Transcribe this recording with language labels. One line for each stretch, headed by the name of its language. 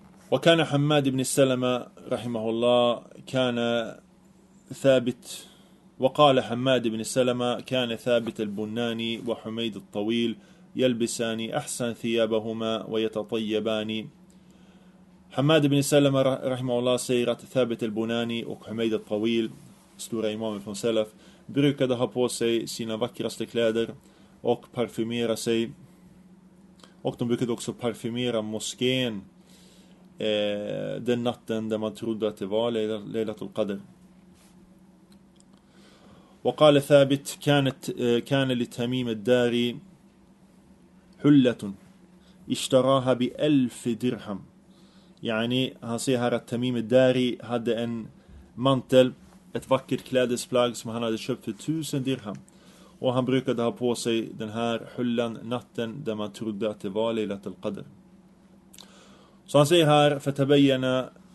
Arabic: وكان حماد بن سلمة رحمه الله كان ثابت, وقال حماد بن سلمة كان ثابت البناني وحميد الطويل يلبسان احسن ثيابهما ويتطيبان. حماد بن سلمة رحمه الله سيرت ثابت البناني وحميد الطويل,
Swedish: stora imamen från Salaf, brukade ha på sig sina vackraste kläder och parfymera sig. Och de brukade också parfymera moskén den natten där man trodde att det var Laylat al-Qadr.
Arabic: Och قال ثابت كان لتميم الداري حلة اشتراها بألف درهم.
Swedish: يعني han säger här att Tamim al-Dari hade en mantel, ett vackert klädesplagg som han hade köpt för 1000 dirham. Och han brukade ha på sig den här hullan natten där man trodde att det var Laylat al-Qadr. Så han säger här, för tabayyana